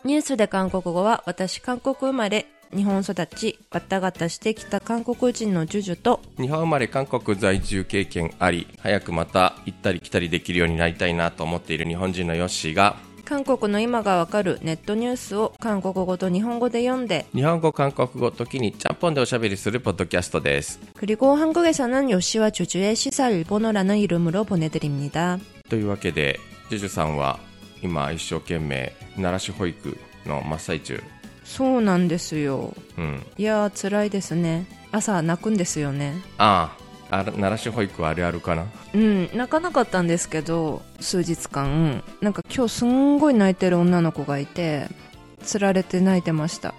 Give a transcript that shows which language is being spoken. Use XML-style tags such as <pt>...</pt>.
<ja>ニュースで韓国語は、私韓国生まれ日本育ちバッタガタしてきた韓国人のジュジュと、日本生まれ韓国在住経験あり、早くまた行ったり来たりできるようになりたいなと思っている日本人のヨッシーが、韓国の今がわかるネットニュースを韓国語と日本語で読んで、日本語韓国語時にちゃんぽんでおしゃべりするポッドキャストです。</ja> <ko>그리고한국에서는요시와주주의시사일본어라는이름으로보내드립니다。</ko> <ja>というわけで、ジュジュさんは今一生懸命慣らし保育の真っ最中。そうなんですよ、うん、いや辛いですね。朝泣くんですよね。ああ、慣らし保育あるあるかな。うん、泣かなかったんですけど、数日間なんか今日すんごい泣いてる女の子がいて、釣られて泣いてました。</ja>